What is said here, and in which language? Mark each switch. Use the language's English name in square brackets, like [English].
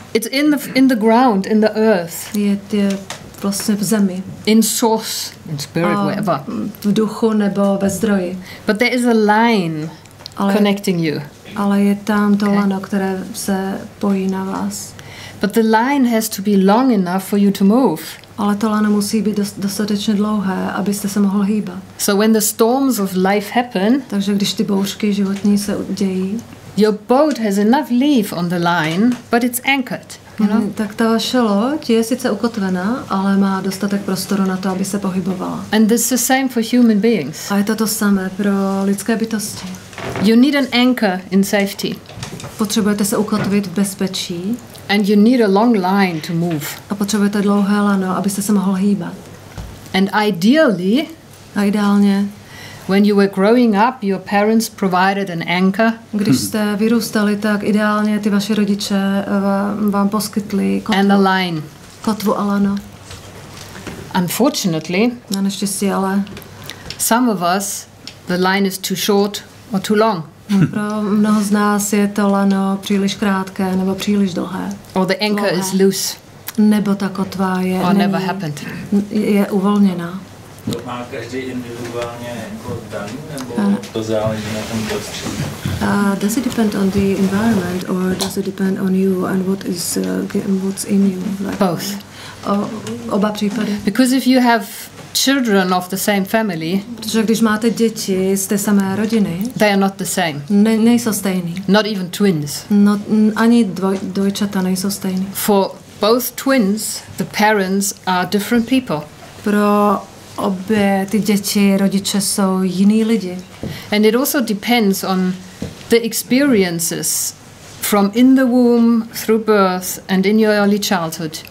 [English] It's in the ground, in the earth. [Czech] Je vlastně v zemi. [English] In source, in spirit, whatever. [Czech] V duchu nebo ve zdroji. [English] But there is a line connecting you. [Czech] Ale je tam to lano, které se pojí na vás. [English] But the line has to be long enough for you to move. [Czech] Ale to lano musí být dostatečně dlouhé, abyste se mohl hýbat. [English] So when the storms of life happen, [Czech] takže když ty bouřky životní se dějí, [English] your boat has enough leave on the line, but it's anchored. [Czech] Tak ta vaše loď je sice ukotvená, ale má dostatek prostoru na to, aby se pohybovala. [English] And this is the same for human beings. [Czech] A je to samé pro lidské bytosti. [English] You need an anchor in safety. [Czech] Potřebujete se ukotvit v bezpečí. [English] And you need a long line to move. [Czech] A potřebujete dlouhé lano, abyste se mohl hýbat. [English] And ideally, [Czech] a ideálně, [English] when you were growing up, your parents provided an anchor. [Czech] Když jste vyrůstali, tak ideálně ty vaši rodiče vám poskytli kotvu. [English] And a line. [Czech] Kotvu a lano. [English] Unfortunately, [Czech] na neštěstí ale, [English] some of us, the line is too short or too long. [Czech] Pro mnoho z nás je to lano příliš krátké nebo příliš dlouhé. [English] Or the anchor is loose. [Czech] Nebo ta kotva je [English] or never happened. [Czech] Je uvolněná. To má každý individuálně jako daný, nebo to záleží na tom prostředí? [English] Does it depend on the environment or does it depend on you and what is what's in you? Like both. [Czech] Oba případy. [English] Because if you have children of the same family. [Czech] Protože když máte děti z té samé rodiny. [English] They are not the same. [Czech] Nejsou stejný. [English] Not even twins. [Czech] Ani dvojčata nejsou stejný. [English] For both twins, the parents are different people. [Czech] Pro obě ty děti rodiče jsou jiní lidi. [English] And it also depends on the experiences from in the womb through birth and in your early childhood.